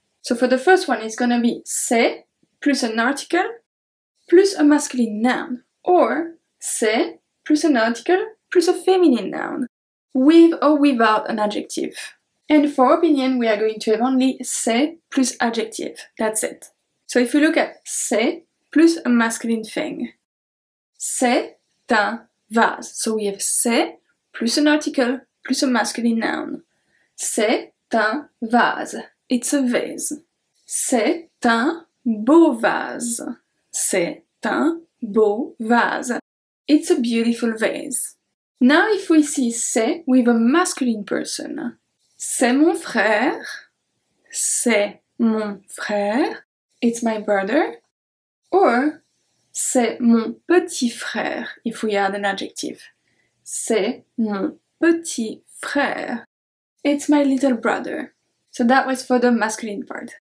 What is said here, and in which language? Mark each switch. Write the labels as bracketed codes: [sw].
[en] So for the first one, it's gonna be c'est plus an article plus a masculine noun, or c'est plus an article plus a feminine noun, with or without an adjective. And for opinion, we are going to have only c'est plus adjective, that's it. So if you look at c'est plus a masculine thing, [fr] c'est un vase. [en] So we have c'est plus an article plus a masculine noun. [fr] C'est un vase. [en] It's a vase. [fr] C'est un beau vase. C'est un beau vase. [en] It's a beautiful vase. Now if we see c'est with a masculine person, [fr] c'est mon frère, c'est mon frère, [en] it's my brother, or [fr] c'est mon petit frère, [en] if we add an adjective, c'est mon petit frère, it's my little brother. So that was for the masculine part.